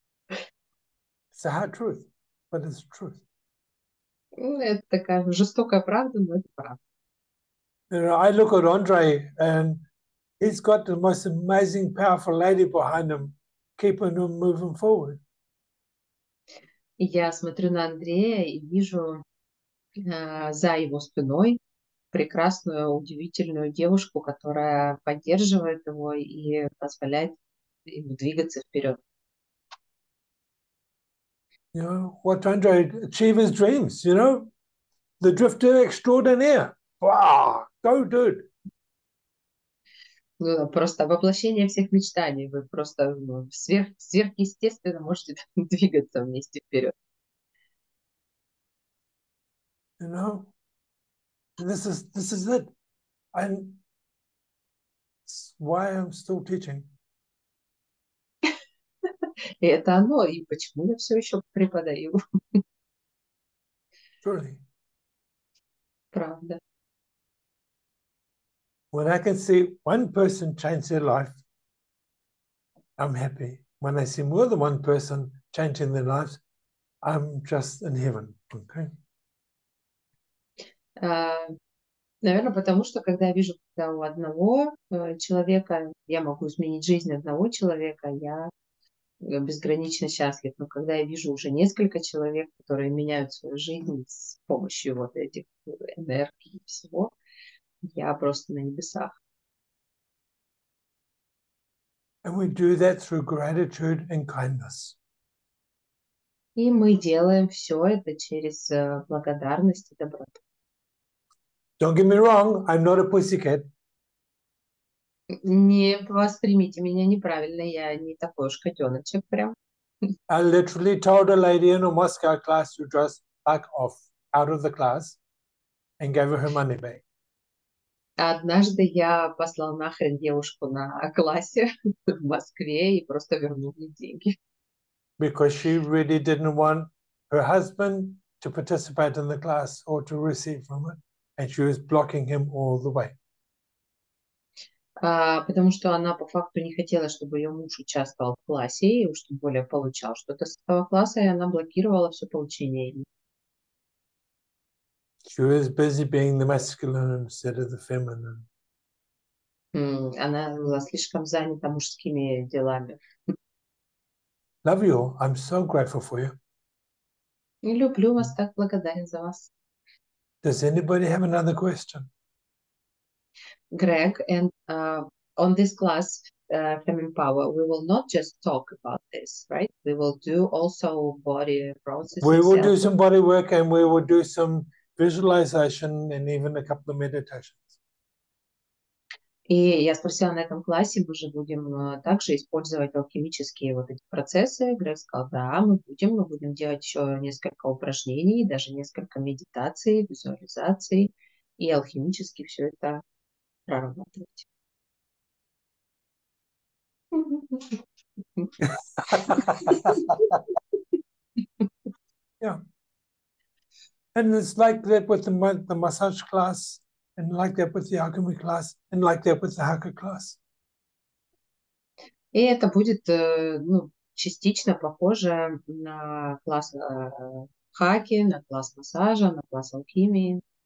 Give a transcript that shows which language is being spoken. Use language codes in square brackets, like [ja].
[en] It's a hard truth, but it's the truth. [ru] Это такая жестокая правда, но это правда. [en] You know, I look at Andre and he's got the most amazing, powerful lady behind him, keeping him moving forward. [ru] Я смотрю на Андрея и вижу за его спиной прекрасную, удивительную девушку, которая поддерживает его и позволяет ему двигаться вперед. [en] You know, what Andre achieve his dreams, you know? The drifter extraordinaire. Wow, go dude. [ru] Ну, просто воплощение всех мечтаний. Вы просто сверхъестественно можете двигаться вместе вперед. [en] You know? This is it. It's why I'm still teaching. [ru] И это оно, и почему я все еще преподаю. [en] Truly. [ru] Правда. [en] When I can see one person change their life, I'm happy. When I see more than one person changing their lives, I'm just in heaven. Okay. [ru] Наверное, потому что когда я вижу, когда у одного человека я могу изменить жизнь одного человека, я безгранично счастлив. Но когда я вижу уже несколько человек, которые меняют свою жизнь с помощью вот этих энергий и всего, я просто на небесах. [en] And we do that through gratitude and kindness. [ru] И мы делаем все это через благодарность и доброту. [en] Don't get me wrong, I'm not a pussycat. [ru] Не воспримите меня неправильно, я не такой уж котеночек прям. [en] I literally told a lady in a Moscow class to dress back off out of the class and gave her money back. [ru] Однажды я послал нахрен девушку на классе в Москве и просто вернул ей деньги. [en] Because she really didn't want her husband to participate in the class or to receive from it. And she was blocking him all the way. [ru] Потому что она по факту не хотела, чтобы ее муж участвовал в классе и уж тем более получал что-то с этого класса, и она блокировала все получение. [en] She was busy being the masculine instead of the feminine. [ru] Она была слишком занята мужскими делами. [en] Love you. I'm so grateful for you. [ru] И люблю вас, так благодарен за вас. [en] Does anybody have another question? Greg, and on this class, Feminine Power, we will not just talk about this, right? We will do also body processes. We will do some body work and we will do some visualization and even a couple of meditations. [ru] И я спросила, на этом классе мы же будем также использовать алхимические вот эти процессы. Грег сказал, да, мы будем делать еще несколько упражнений, даже несколько медитаций, визуализаций, и алхимически все это прорабатывать. [en] Yeah. And it's like that with the massage class. And like that with the alchemy class, and like that with the hacker class. [ru] И это будет частично похоже на класс хаки, на класс массажа, на класс алхимии.